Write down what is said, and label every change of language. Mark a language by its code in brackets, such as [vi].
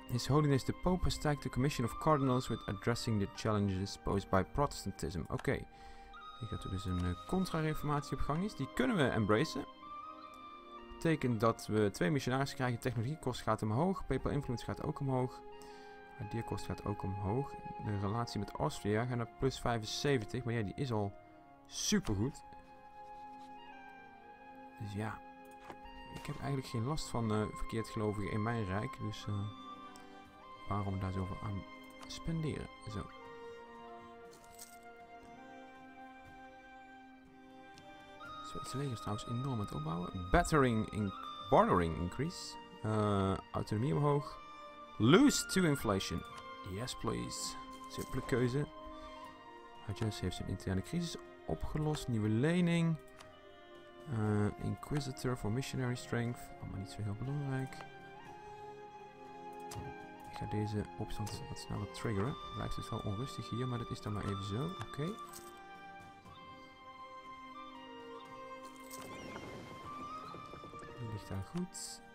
[en] His Holiness the Pope has tagged the Commission of Cardinals with addressing the challenges posed by Protestantism. [nl] Oké. Okay. Ik denk dat er dus een contra-reformatie op gang is. Die kunnen we embracen. Betekent dat we twee missionarissen krijgen. Technologiekost gaat omhoog. Papal influence gaat ook omhoog. Ideakost gaat ook omhoog. De relatie met Austria gaat naar plus 75. Maar ja, die is al supergoed. Dus ja. Ik heb eigenlijk geen last van verkeerd gelovigen in mijn rijk, dus waarom daar zoveel aan spenderen? Zo. Zweedse leger is trouwens enorm aan het opbouwen. [en] Battering in bartering increase. [nl] Autonomie omhoog. [en] Lose to inflation. Yes, please. [nl] Simpele keuze. Hajjus heeft zijn interne crisis opgelost. Nieuwe lening. [en] Inquisitor for missionary strength. [nl] Allemaal niet zo heel belangrijk. Ik ga deze opstand wat sneller triggeren. Blijft het wel onrustig hier, maar dat is dan maar even zo. Oké. Okay. Die ligt daar goed.